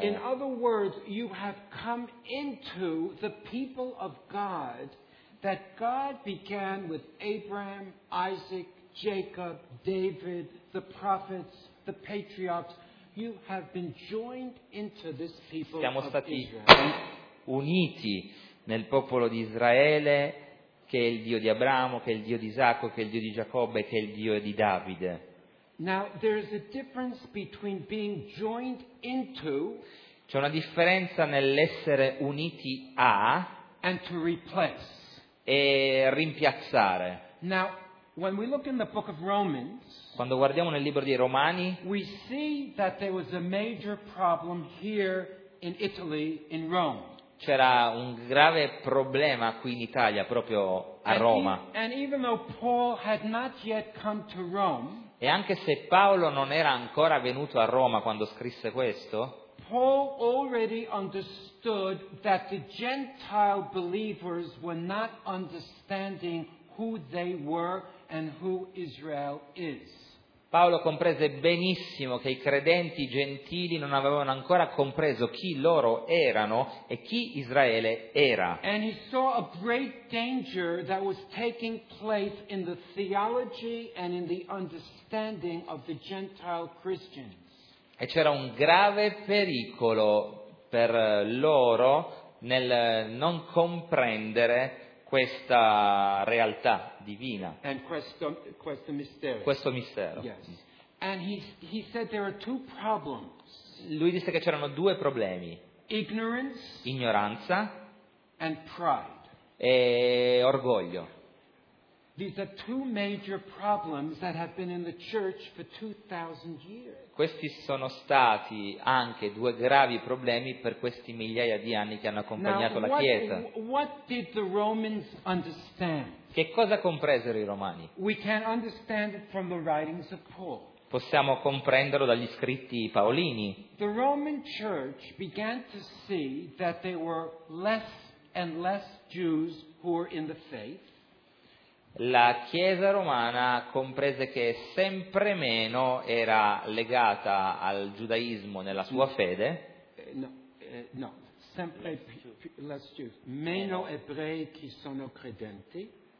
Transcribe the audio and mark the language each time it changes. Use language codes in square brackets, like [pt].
[en] In other words, you have come into the people of God that God began with Abraham, Isaac, Jacob, David, the prophets, the patriarchs. You have been joined into this people. [it] Siamo stati uniti nel popolo di Israele, che è il Dio di Abramo, che è il Dio di Isacco, che è il Dio di Giacobbe, che è il Dio di Davide. [en] Now there is a difference between being joined into, [it] c'è una differenza nell'essere uniti a, [en] and to replace, [it] e rimpiazzare. [en] Now when we look in the book of Romans, [it] quando guardiamo nel libro dei Romani, [en] we see that there was a major problem here in Italy, in Rome. [it] C'era un grave problema qui in Italia, proprio a Roma. [en] And even though Paul had not yet come to Rome, [it] e anche se Paolo non era ancora venuto a Roma quando scrisse questo, [en] Paul already understood that the Gentile believers were not understanding who they were and who Israel is. [it] Paolo comprese benissimo che i credenti gentili non avevano ancora compreso chi loro erano e chi Israele era. [en] And he saw a great danger that was taking place in the theology and in the understanding of the Gentile Christians. [it] E c'era un grave pericolo per loro nel non comprendere questa realtà divina. And questo mistero. Questo mistero. [en] Yes. And he said there are two problems. [it] Lui disse che c'erano due problemi. [en] Ignorance. [it] Ignoranza. [en] And pride. [it] E orgoglio. [en] These are two major problems that have been in the church for 2,000 years. [it] Questi sono stati anche due gravi problemi per questi migliaia di anni che hanno accompagnato la Chiesa. [en] What did the Romans understand? [it] Che cosa compresero i Romani? [en] We can understand it from the writings of Paul. [it] Possiamo comprenderlo dagli scritti paolini. [en] The Roman church began to see that there were less and less Jews who were in the faith. [it] La Chiesa romana comprese che sempre meno era legata al giudaismo nella sua fede. [en] No, [it] sempre [en] less Jews. [it] Meno ebrei che sono credenti.